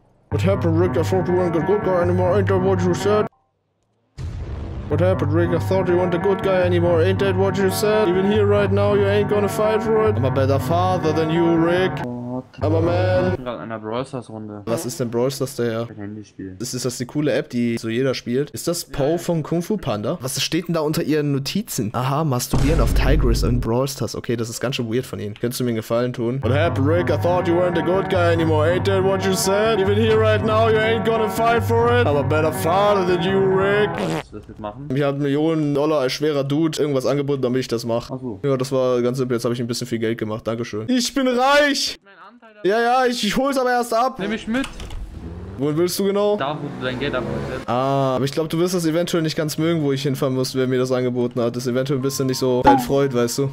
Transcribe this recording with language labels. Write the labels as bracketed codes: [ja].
[en] What happened, Rick? I thought you weren't a good guy anymore. Ain't that what you said? What happened, Rick? I thought you weren't a good guy anymore. Ain't that what you said? Even here right now, you ain't gonna fight for it. I'm a better father than you, Rick. [de] Aber man. Ich bin gerade in einer Brawl Stars Runde. Was ist denn Brawl Stars daher? Ein Handyspiel. Ist das die coole App, die so jeder spielt? Ist das Po von Kung Fu Panda? Was steht denn da unter ihren Notizen? Aha, masturbieren auf Tigris in Brawl Stars. Okay, das ist ganz schön weird von ihnen. Könntest du mir einen Gefallen tun? [en] What happened, Rick? I thought you weren't a good guy anymore. Ain't that what you said? Even here right now, you ain't gonna fight for it. I'm a better father than you, Rick. [de] Was willst du das jetzt machen? Ich habe $1 Million als schwerer Dude irgendwas angeboten, damit ich das mache. Ach so. Ja, das war ganz simpel. Jetzt habe ich ein bisschen viel Geld gemacht. Dankeschön. Ich bin reich! Ja, ja, ich hol's aber erst ab. Nimm mich mit. Wohin willst du genau? Da, wo du dein Geld abholst. Ah, aber ich glaube, du wirst das eventuell nicht ganz mögen, wo ich hinfahren muss, wer mir das angeboten hat. Das ist eventuell ein bisschen nicht so dein Freund, weißt du.